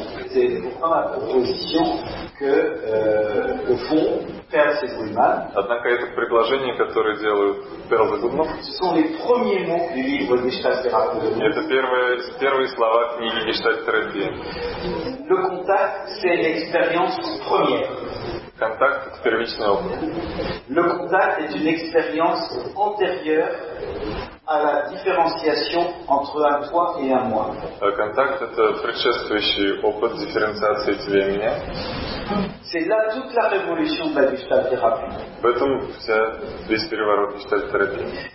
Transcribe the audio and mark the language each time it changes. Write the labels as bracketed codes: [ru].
[fr] C'est pourtant la proposition que, au fond, [ru] Однако это предложение, которое делают Перл и Гудман, это первые слова книги гештальт-терапии. Контакт — это первичный опыт. [fr] Le contact est une expérience antérieure à la différenciation entre un toi et un moi. [ru] Контакт — это предшествующий опыт дифференциации тебя и меня. [fr] C'est là toute la révolution de la gestalt-thérapie. [ru] В этом вся весь переворот гештальт-терапии.